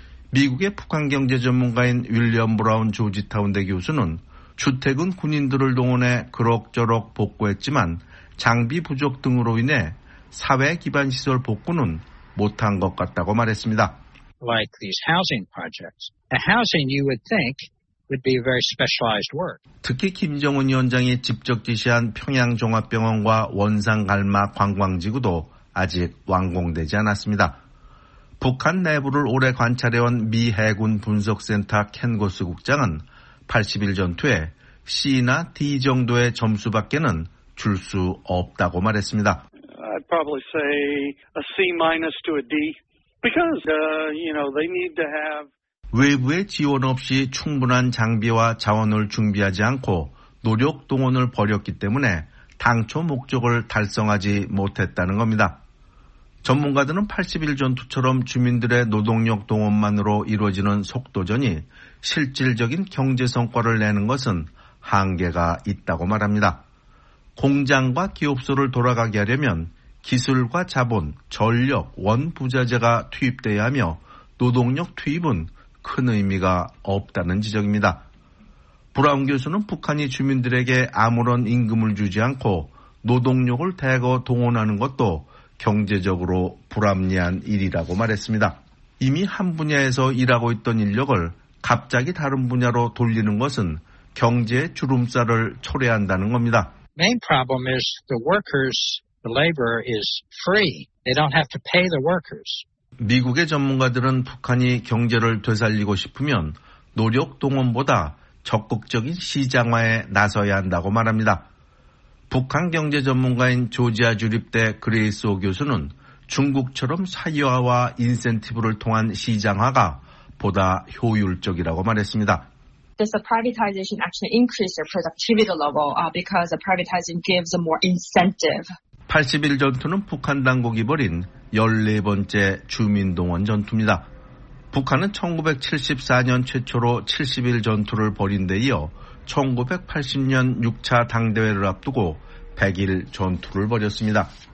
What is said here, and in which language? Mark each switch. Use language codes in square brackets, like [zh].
[ko] 미국의 북한 경제 전문가인 윌리엄 브라운 조지타운대 교수는 주택은 군인들을 동원해 그럭저럭 복구했지만 장비 부족 등으로 인해 사회 기반 시설 복구는 못한 것 같다고 말했습니다. [en] Like these housing projects. The housing you would think would be a very specialized work. [ko] 특히 김정은 위원장이 직접 지시한 평양 종합병원과 원산 갈마 관광지구도 아직 완공되지 않았습니다. 북한 내부를 오래 관찰해온 미 해군 분석센터 켄고스 국장은 80일 전투에 C나 D 정도의 점수밖에는 줄 수 없다고 말했습니다. [en] I'd probably say a C minus to a D because you know they need to have [ko] 외부의 지원 없이 충분한 장비와 자원을 준비하지 않고 노력 동원을 벌였기 때문에 당초 목적을 달성하지 못했다는 겁니다. 전문가들은 81 전투처럼 주민들의 노동력 동원만으로 이루어지는 속도전이 실질적인 경제 성과를 내는 것은 한계가 있다고 말합니다. 공장과 기업소를 돌아가게 하려면 기술과 자본, 전력, 원부자재가 투입돼야 하며 노동력 투입은 큰 의미가 없다는 지적입니다. 브라운 교수는 북한이 주민들에게 아무런 임금을 주지 않고 노동력을 대거 동원하는 것도 경제적으로 불합리한 일이라고 말했습니다. 이미 한 분야에서 일하고 있던 인력을 갑자기 다른 분야로 돌리는 것은 경제의 주름살을 초래한다는 겁니다. [en] Main problem is the workers, the labor is free. They don't have to pay the workers. [ko] 미국의 전문가들은 북한이 경제를 되살리고 싶으면 노력 동원보다 적극적인 시장화에 나서야 한다고 말합니다. 북한 경제 전문가인 조지아 주립대 그레이스 오 교수는 중국처럼 사유화와 인센티브를 통한 시장화가 보다 효율적이라고 말했습니다. [en] Does the privatization actually increase their productivity level because the privatization gives a more incentive? [ko] 81 전투는 북한 당국이 벌인 14번째 주민동원 전투입니다. 북한은 1974년 최초로 71 전투를 벌인 데 이어 1980년 6차 당대회를 앞두고 100일 전투를 벌였습니다.